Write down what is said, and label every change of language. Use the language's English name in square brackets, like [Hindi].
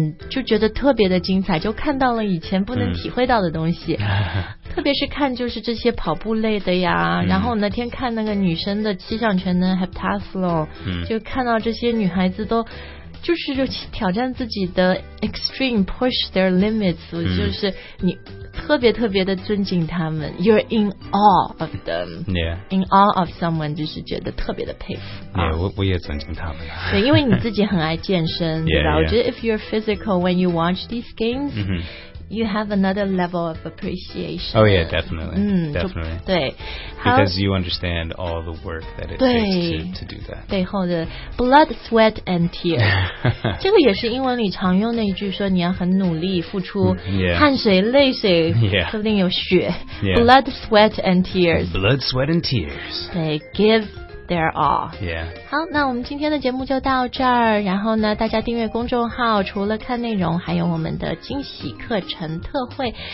[Chinese] 就觉得特别的精彩就看到了以前不能体会到的东西、特别是看就是这些跑步类的呀、然后那天看那个女生的七项全能 heptathlon、就看到这些女孩子都就是就挑战自己的 [English] extreme push their limits、 [Chinese] 就是你特别特别的尊敬他们 [English] you're in awe of them、 yeah. in awe of someone [Chinese] 就是觉得特别的佩服 [English] yeah, [Chinese] 我也尊敬他们对因为你自己很爱健身对吧 [English] yeah, yeah. [Chinese] 我觉得 [English] if you're physical when you watch these games、you have another level of appreciation oh yeah definitely、definitely [Chinese] 对 [English] because you understand all the work that it takes to do that [Chinese] 背后的 [English] blood sweat and tears [Chinese] 这个也是英文里常用那一句说你要很努力付出汗水泪水说不定有血 blood sweat and tears [English] blood sweat and tears they giveThere are all. Yeah. [Chinese] 好，那我们今天的节目就到这儿。然后呢，大家订阅公众号，除了看内容，还有我们的惊喜课程特惠。